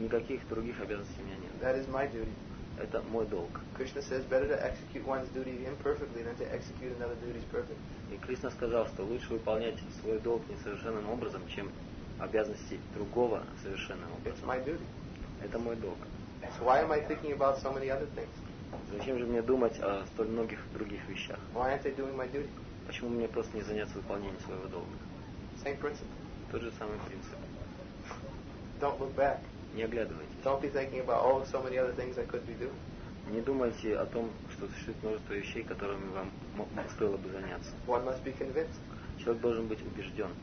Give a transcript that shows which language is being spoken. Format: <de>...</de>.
<ru>Никаких других обязанностей у меня нет.</ru> <en>That is my duty.</en> <ru>Это мой долг.</ru> <en>Krishna says better to execute one's duty imperfectly than to execute another duty's perfect.</en> <ru>И Кришна сказал, что лучше выполнять свой долг несовершенным образом, чем обязанности другого совершенным образом.</ru> <en>It's my duty.</en> <ru>Это мой долг.</ru> <en>So why am I thinking about so many other things?</en> <ru>Зачем же мне думать о столь многих других вещах?</ru> <en>Why aren't I doing my duty?</en> <ru>Почему мне просто не заняться выполнением своего долга?</ru> <en>Same principle.</en> <ru>Тот же самый принцип.</ru> <en>Don't look back.</en> <ru>Не оглядывайтесь.</ru> <en>Don't be thinking about all so many other things I could be doing.</en> <ru>Не думайте о том, что существует множество вещей, которыми вам стоило бы заняться.</ru> <en>One must be convinced.</en> <ru>Человек должен быть убежден.</ru>